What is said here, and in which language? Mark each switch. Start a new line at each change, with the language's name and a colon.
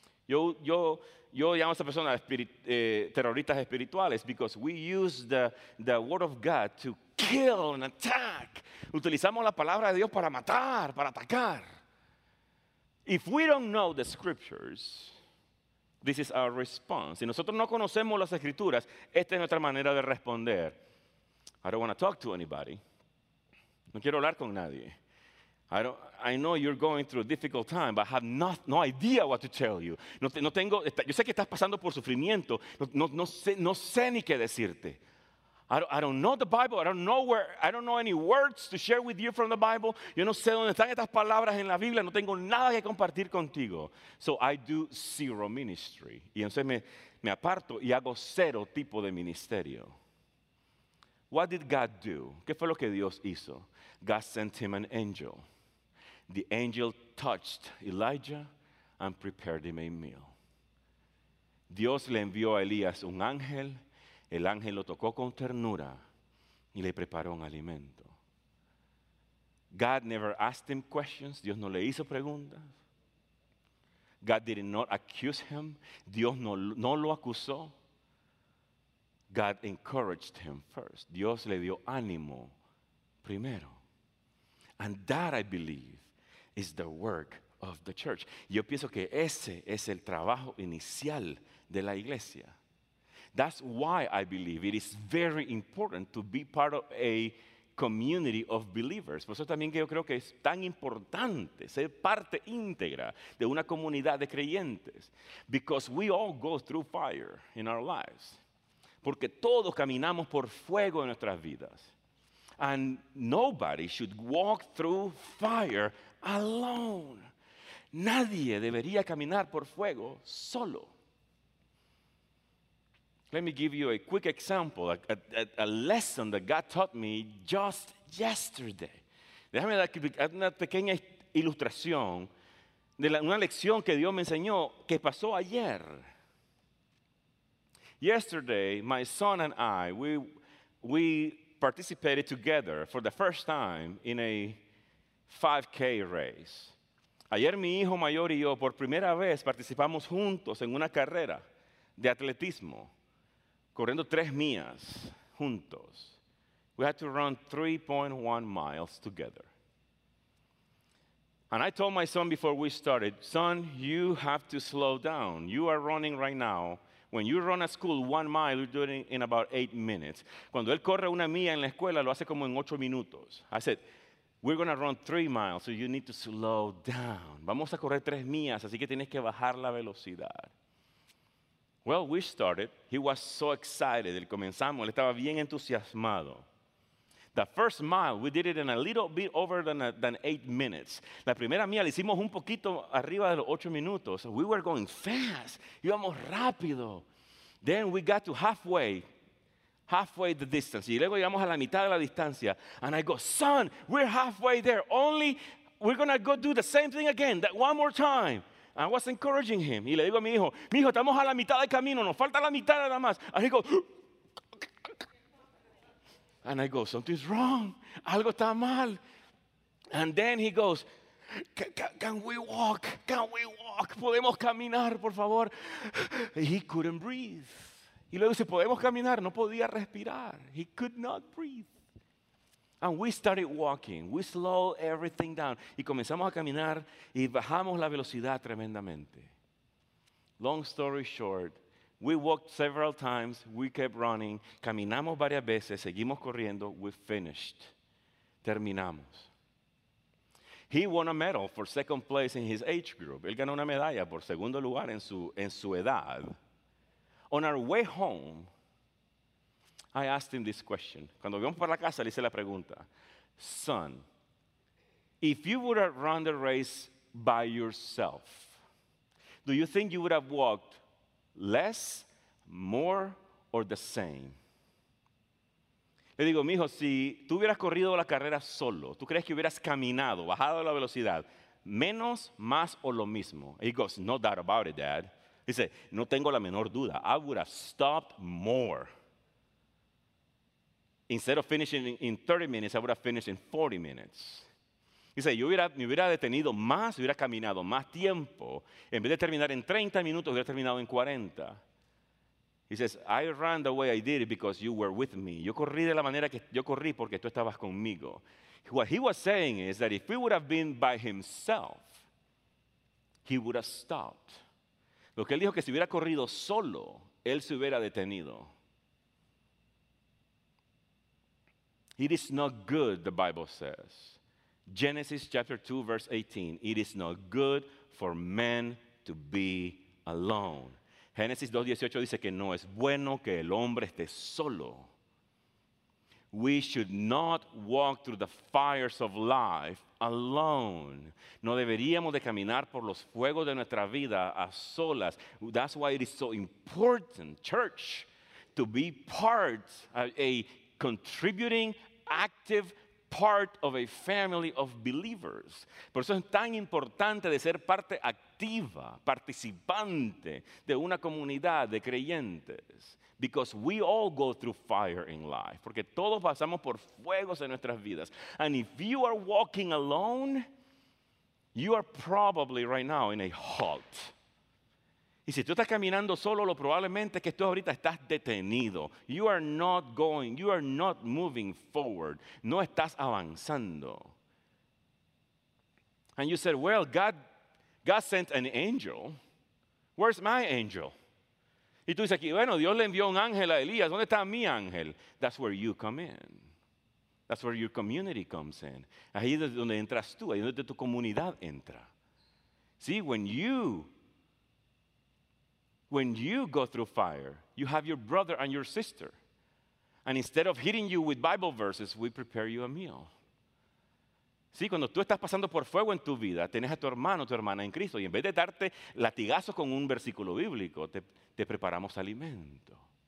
Spanish: Yo llamo a esa persona terroristas espirituales
English: because we use the word of God to kill and attack.
Spanish: Utilizamos la palabra de Dios para matar, para atacar.
English: If we don't know the scriptures, this is our response.
Spanish: Si nosotros no conocemos las escrituras, esta es nuestra manera de responder.
English: I don't want to talk to anybody.
Spanish: No quiero hablar con nadie.
English: I know you're going through a difficult time, but I have no idea what to tell you.
Spanish: Yo sé que estás pasando por sufrimiento. No sé ni qué decirte.
English: I don't know the Bible. I don't know any words to share with you from the Bible.
Spanish: Yo no sé dónde están estas palabras en la Biblia. No tengo nada que compartir contigo.
English: So I do zero ministry.
Spanish: Y entonces me aparto y hago cero tipo de ministerio.
English: What did God do?
Spanish: ¿Qué fue lo que Dios hizo?
English: God sent him an angel. The angel touched Elijah and prepared him a meal.
Spanish: Dios le envió a Elías un ángel. El ángel lo tocó con ternura y le preparó un alimento.
English: God never asked him questions.
Spanish: Dios no le hizo preguntas.
English: God did not accuse him.
Spanish: Dios no lo acusó.
English: God encouraged him first.
Spanish: Dios le dio ánimo primero.
English: And that, I believe, is the work of the church.
Spanish: Yo pienso que ese es el trabajo inicial de la iglesia.
English: That's why I believe it is very important to be part of a community of believers.
Spanish: Por eso también yo creo que es tan importante ser parte íntegra de una comunidad de creyentes.
English: Because we all go through fire in our lives.
Spanish: Porque todos caminamos por fuego en nuestras vidas.
English: And nobody should walk through fire alone.
Spanish: Nadie debería caminar por fuego solo.
English: Let me give you a quick example, a lesson that God taught me just yesterday.
Spanish: Déjame dar una pequeña ilustración de una lección que Dios me enseñó que pasó ayer.
English: Yesterday, my son and I, we participated together for the first time in a 5K race.
Spanish: Ayer mi hijo mayor y yo por primera vez participamos juntos en una carrera de atletismo, corriendo 3 millas juntos.
English: We had to run 3.1 miles together. And I told my son before we started, son, you have to slow down. You are running right now. When you run at school 1 mile, you're doing it in about 8 minutes.
Spanish: Cuando él corre una milla en la escuela, lo hace como en 8 minutos.
English: I said, we're going to run 3 miles, so you need to slow down.
Spanish: Vamos a correr 3 millas, así que tienes que bajar la velocidad.
English: Well, we started. He was so excited.
Spanish: Él comenzamos, él estaba bien entusiasmado.
English: The first mile, we did it in a little bit over than 8 minutes.
Spanish: La primera milla la hicimos un poquito arriba de los 8 minutos.
English: So we were going fast.
Spanish: Íbamos rápido.
English: Then we got to halfway the distance.
Spanish: Y luego llegamos a la mitad de la distancia.
English: And I go, son, we're halfway there. Only we're going to go do the same thing again, that one more time. I was encouraging him.
Spanish: Y le digo a mi hijo, estamos a la mitad del camino. Nos falta la mitad nada más.
English: And he goes, and I go, something's wrong.
Spanish: Algo está mal.
English: And then he goes, can we walk? Can we walk?
Spanish: ¿Podemos caminar, por favor?
English: He couldn't breathe.
Spanish: Y luego dice, ¿podemos caminar? No podía respirar.
English: He could not breathe. And we started walking. We slowed everything down.
Spanish: Y comenzamos a caminar y bajamos la velocidad tremendamente.
English: Long story short, we walked several times, we kept running,
Spanish: caminamos varias veces, seguimos corriendo,
English: we finished,
Spanish: terminamos.
English: He won a medal for second place in his age group.
Spanish: Él ganó una medalla por segundo lugar en su edad.
English: On our way home, I asked him this question.
Spanish: Cuando íbamos para la casa, le hice la pregunta.
English: Son, if you would have run the race by yourself, do you think you would have walked less, more, or the same?
Spanish: Le digo, mijo, si tú hubieras corrido la carrera solo, ¿tú crees que hubieras caminado, bajado la velocidad, menos, más, o lo mismo?
English: He goes, no doubt about it, Dad.
Spanish: Dice, no tengo la menor duda.
English: I would have stopped more. Instead of finishing in 30 minutes, I would have finished in 40 minutes.
Spanish: Dice, yo me hubiera detenido más, hubiera caminado más tiempo. En vez de terminar en 30 minutos, hubiera terminado en 40.
English: He says, I ran the way I did because you were with me.
Spanish: Yo corrí de la manera que yo corrí porque tú estabas conmigo.
English: What he was saying is that if we would have been by himself, he would have stopped.
Spanish: Lo que él dijo que si hubiera corrido solo, él se hubiera detenido.
English: It is not good, the Bible says. Genesis chapter 2, verse 18. It is not good for man to be alone.
Spanish: Genesis 2:18 dice que no es bueno que el hombre esté solo.
English: We should not walk through the fires of life alone.
Spanish: No deberíamos de caminar por los fuegos de nuestra vida a solas.
English: That's why it is so important, church, to be part of a contributing, active part of a family of believers.
Spanish: Por eso es tan importante de ser parte activa, participante de una comunidad de creyentes.
English: Because we all go through fire in life.
Spanish: Porque todos pasamos por fuegos en nuestras vidas.
English: And if you are walking alone, you are probably right now in a halt.
Spanish: Y si tú estás caminando solo, lo probablemente es que tú ahorita estás detenido.
English: You are not going, you are not moving forward.
Spanish: No estás avanzando.
English: And you said, well, God sent an angel. Where's my angel?
Spanish: Y tú dices aquí, bueno, Dios le envió un ángel a Elías. ¿Dónde está mi ángel?
English: That's where you come in. That's where your community comes in.
Spanish: Ahí es donde entras tú, ahí es donde tu comunidad entra.
English: See, when you go through fire, you have your brother and your sister. And instead of hitting you with Bible verses, we prepare you a meal.
Spanish: Sí, cuando tú estás pasando por fuego en tu vida, tienes a tu hermano, tu hermana en Cristo, y en vez de darte latigazos con un versículo bíblico, te preparamos alimento.